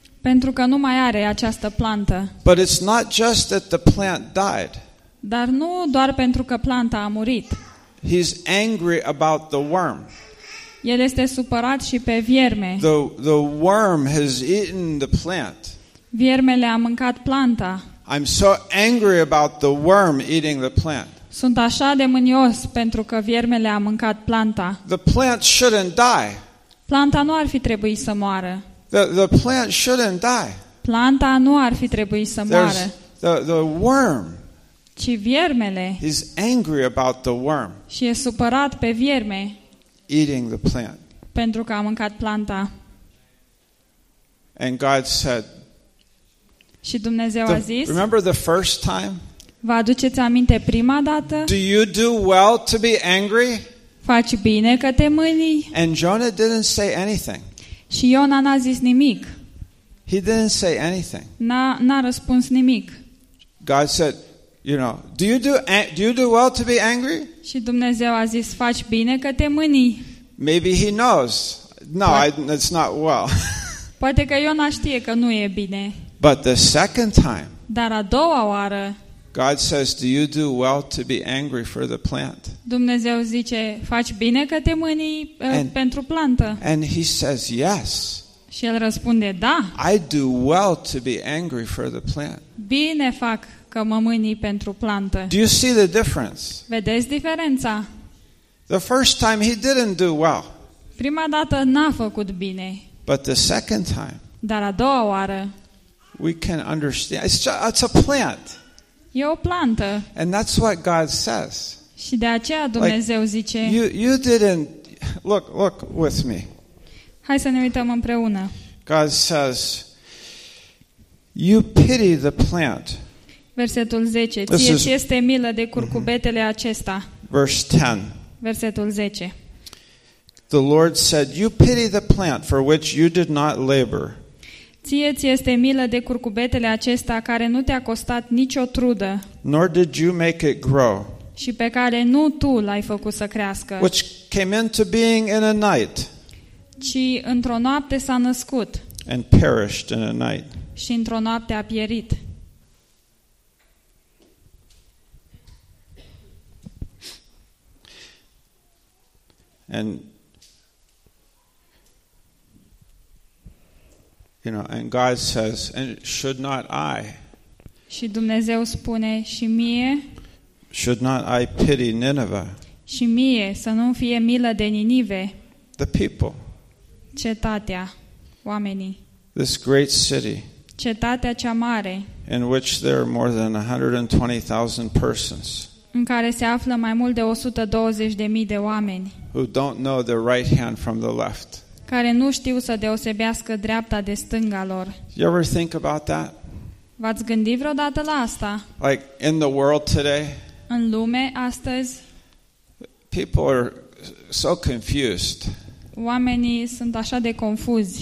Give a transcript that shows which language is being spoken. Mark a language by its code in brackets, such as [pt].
[ro] Pentru că nu mai are această plantă. [en] But it's not just that the plant died. [ro] Dar nu doar pentru că planta a murit. [en] He's angry about the worm. [ro] El este supărat și pe vierme. [en] The worm has eaten the plant. [ro] Viermele a mâncat planta. [en] I'm so angry about the worm eating the plant. [ro] Sunt așa de mânios pentru că viermele a mâncat planta. [en] The plant shouldn't die. [ro] Planta nu ar fi trebuit să moară. [en] The plant shouldn't die. [ro] Planta nu ar fi trebuit să moară. [en] The worm. [ro] Ci viermele. [en] He's angry about the worm. [ro] Și e supărat pe vierme. [en] Eating the plant. [ro] Pentru că a mâncat planta. [en] And God said. [ro] Și Dumnezeu a zis. [en] Remember the first time? [ro] Vă aduceți aminte prima dată? [en] Do you do well to be angry? [ro] Faci bine că te mânii? [en] And Jonah didn't say anything. [ro] Și Iona n-a zis nimic. [en] He didn't say anything. [ro] N-a răspuns nimic. [en] God said, you know, do you do well to be angry? [ro] Și Dumnezeu a zis, faci bine că te mânii. [en] Maybe he knows. No, it's not well. [ro] Poate că Iona știe că nu e bine. [en] But the second time. [ro] Dar a doua oară. [en] God says, do you do well to be angry for the plant? [ro] Dumnezeu zice, faci bine că te mânii pentru plantă. [en] And he says, yes. [ro] Și el răspunde, da. [en] I do well to be angry for the plant. [ro] Bine fac că mă mânii pentru plantă. [en] Do you see the difference? [ro] Vedeți diferența? [en] The first time he didn't do well. [ro] Prima dată n-a făcut bine. [en] But the second time. [ro] Dar a doua oară. [en] We can understand. It's a plant. [ro] E o plantă. [en] And that's what God says. [ro] Și de aceea Dumnezeu zice. [en] You didn't look with me. [ro] Hai să ne uităm împreună. [en] God says, you pity the plant. [ro] Versetul 10. Ție ți este milă de curcubetele acesta. [en] Verse 10. [ro] Versetul 10. [en] The Lord said, you pity the plant for which you did not labor. [ro] Ție ți este milă de curcubetele acesta care nu te-a costat nicio trudă. [en] Nor did you make it grow. [ro] Și pe care nu tu l-ai făcut să crească. [en] Which came into being in a night. [ro] Ci într-o noapte s-a născut. [en] And perished in a night. [ro] Și într-o noapte a pierit. [en] And you know, and God says, and should not I? [ro] Și Dumnezeu spune, și mie? [en] Should not I pity Nineveh? [ro] Și mie, să nu fie milă de Ninive. [en] The people. [ro] Cetatea, oamenii. [en] This great city. [ro] Cetatea cea mare. [en] In which there are more than 120,000 persons. [ro] În care se află mai mult de 120,000 de oameni. [en] Who don't know the right hand from the left. [ro] Care nu știu să deosebească dreapta de stânga lor. [en] You ever think about that? [ro] V-ați gândit vreodată la asta? [en] Like in the world today? [ro] În lume astăzi? [en] People are so confused. [ro] Oamenii sunt așa de confuzi.